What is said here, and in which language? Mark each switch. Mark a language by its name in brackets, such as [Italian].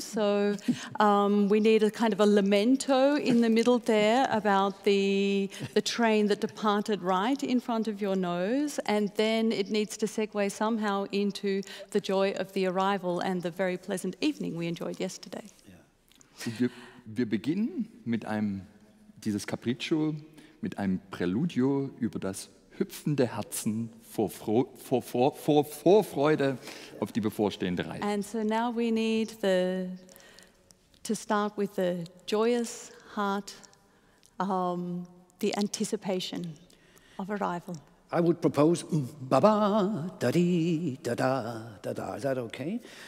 [English] So we need a kind of a lamento in the middle there about the train that departed right in front of your nose. And then it needs to segue somehow into the joy of the arrival and the very pleasant evening we enjoyed yesterday. [German] Wir beginnen mit einem, dieses Capriccio, mit einem Präludio über das hüpfende Herzen vor Freude auf die bevorstehende Reise. [English] And so now we need to start with the joyous heart, the anticipation of arrival. I would propose ba-ba, da-di, da-da, da-da. Is that okay?